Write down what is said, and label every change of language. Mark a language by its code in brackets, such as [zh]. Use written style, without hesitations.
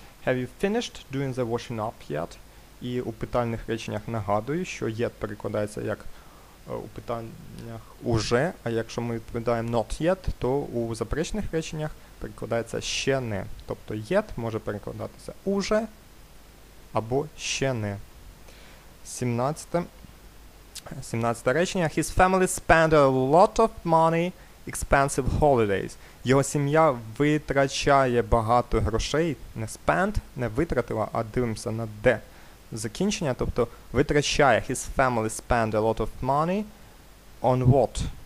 [en] Have you finished doing the washing up yet? [uk] І у питальних реченнях нагадую, що yet перекладається як у питаннях уже, а якщо ми відповідаємо not yet, то у заперечних реченнях перекладається ще не. Тобто yet може перекладатися уже або ще не. 17-те речення. [en] His family spent a lot of money expensive holidays. [uk] Його сім'я витрачає багато грошей, не spent, не витратила, а дивимося на де. Закінчення, тобто витрачає. [en] His family spend a lot of money on what?